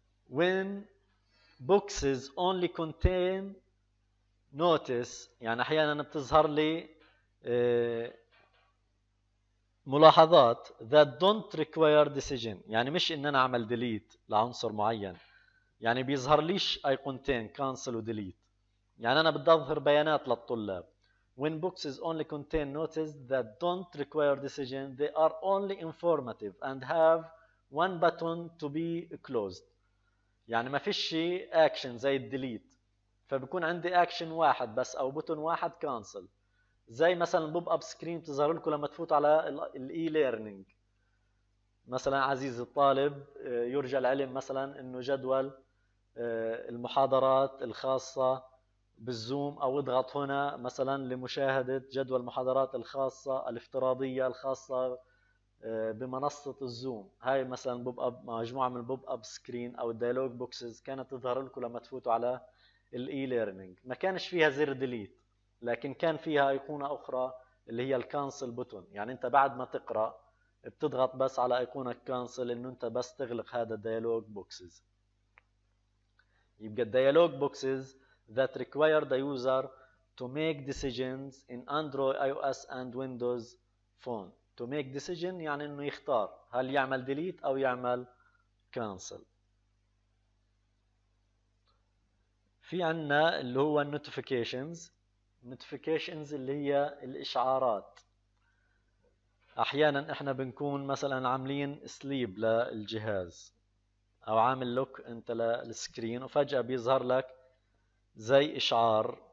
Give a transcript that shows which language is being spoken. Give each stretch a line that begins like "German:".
English: When boxes only contain notice،
Arabic: يعني احيانا بتظهر لي ملاحظات
English: that don't require decision،
Arabic: يعني مش ان انا اعمل ديليت لعنصر معين، يعني بيظهر ليش ايقونتين كانسل وديليت. يعني انا بدي اظهر بيانات للطلاب.
English: When books only contain notices that don't require decision they are only informative and have one button to be closed.
Arabic: يعني ما فيش شيء اكشن زي الديليت، فبكون عندي اكشن واحد بس او بوتون واحد كانسل. زي مثلا بوب اب سكرين بتظهر لكم لما تفوت على الاي ليرنينج، مثلا عزيز الطالب يرجى العلم مثلا انه جدول المحاضرات الخاصة بالزوم، او اضغط هنا مثلا لمشاهدة جدول المحاضرات الخاصة الافتراضية الخاصة بمنصة الزوم. هاي مثلا بوب اب، مجموعة من البوب اب سكرين او الديالوج بوكسز كانت تظهر لكم لما تفوتوا على الاي ليرنينج. ما كانش فيها زر ديليت، لكن كان فيها ايقونة اخرى اللي هي الكانسل بوتون. يعني انت بعد ما تقرأ بتضغط بس على ايقونة كانسل انه انت بس تغلق هذا الديالوج بوكسز. يبقى الديالوج بوكسز
English: that require the user to make decisions in Android, iOS and Windows phone. To make decision
Arabic: يعني انه يختار هل يعمل delete او يعمل cancel. في عنا اللي هو notifications. notifications اللي هي الاشعارات. احيانا احنا بنكون مثلا عاملين sleep للجهاز او عامل لوك انت للسكرين، وفجأة بيظهر لك زي اشعار.